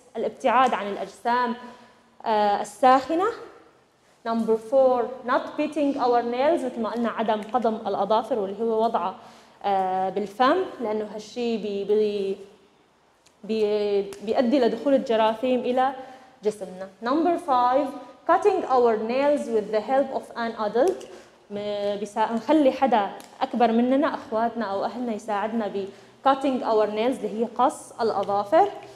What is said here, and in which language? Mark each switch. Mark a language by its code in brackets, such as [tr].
[ar] الابتعاد عن الأجسام الساخنة. [en] Number four, not biting our nails. [ar] مثل ما قلنا عدم قضم الأظافر واللي هو وضعه بالفم، لأنه هالشي بيؤدي لدخول الجراثيم إلى جسمنا. [en] Number five, cutting our nails with the help of an adult. [ar] نخلي حدا أكبر مننا، أخواتنا أو أهلنا، يساعدنا ب [en] cutting our nails [ar] اللي هي قص الأظافر.